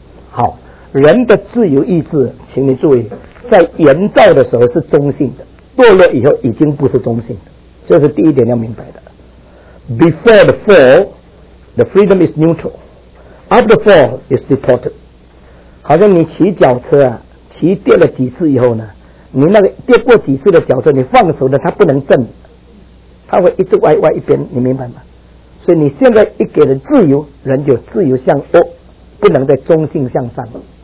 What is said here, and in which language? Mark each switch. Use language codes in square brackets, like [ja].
[zh] 好。人的自由意志，请你注意，在原造的时候是中性的，堕落以后已经不是中性的，这是第一点要明白的。 [en] Before the fall, the freedom is neutral. After the fall, is distorted. [zh] 好像你骑脚车啊，骑跌了几次以后呢，你那个跌过几次的脚车，你放手呢，它不能正，它会一直歪歪一边，你明白吗？所以你现在一给人自由，人就自由向恶，不能再中性向善了。